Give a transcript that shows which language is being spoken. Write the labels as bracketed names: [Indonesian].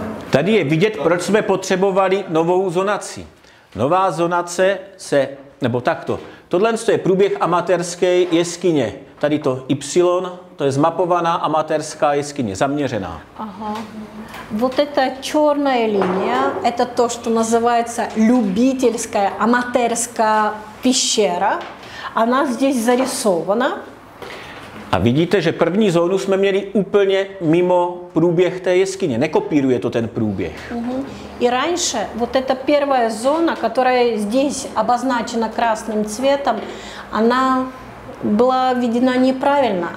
[Czech] Tady je vidět, proč jsme potřebovali novou zonaci. Nová zonace se, nebo takto, tohle je průběh amatérské jeskyně. Tady to Y, to je zmapovaná amatérská jeskyně, zaměřená. Aha. [Russian] Вот эта чёрная линия это то, что называется любительская аматерская пещера. Она здесь зарисована. [Czech] A vidíte, že první zónu jsme měli úplně mimo průběh té jeskyně. Nekopíruje to ten průběh. [Russian] И раньше вот эта первая зона, которая здесь обозначена красным цветом, она byla viděna neprávilně.